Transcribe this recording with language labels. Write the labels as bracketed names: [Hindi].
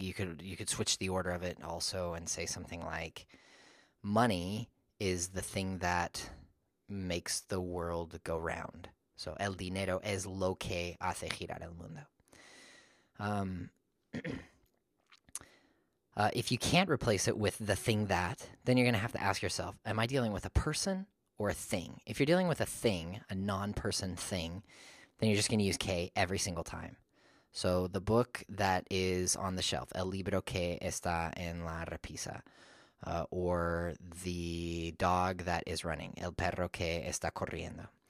[English] You could switch the order of it also and say something like, money is the thing that makes the world go round. [Spanish] So, el dinero es lo que hace girar el mundo. [English] if you can't replace it with the thing that, then you're going to have to ask yourself, am I dealing with a person or a thing? If you're dealing with a thing, a non-person thing, then you're just going to use que every single time. So, the book that is on the shelf, [Spanish] el libro que está en la repisa, [English] or the dog that is running, [Spanish] el perro que está corriendo.